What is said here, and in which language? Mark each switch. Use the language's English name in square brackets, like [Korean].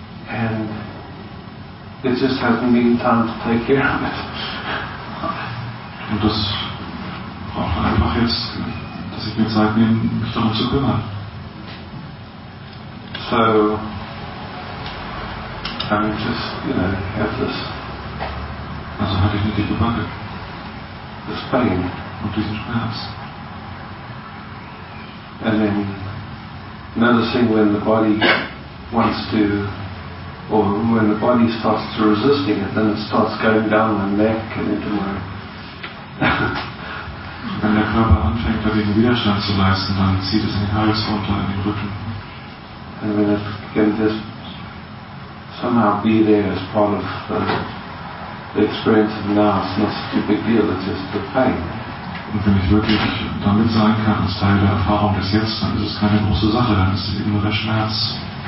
[English] And it just hasn't been time to take care of it. [German] Und das braucht man einfach jetzt, dass ich mir Zeit nehme, mich darum zu kümmern. [English] So, I just, you know, have this. [German] Also hatte ich eine dicke Backe. [English] This pain. [German] Und diesen Schmerz. [English] And then, another thing when the body wants to, or when the body starts to resisting it, then it starts going down my neck and into my... [German] Wenn der Körper anfängt, dagegen Widerstand zu leisten, dann zieht es in den Hals runter, in den Rücken. [English] And then it can just somehow be there as part of the experience of now. It's not such a big deal, it's just the pain. [German] Und wenn ich wirklich damit sein kann, als Teil der Erfahrung des Jetzt, dann ist es keine große Sache, dann ist es eben nur der Schmerz.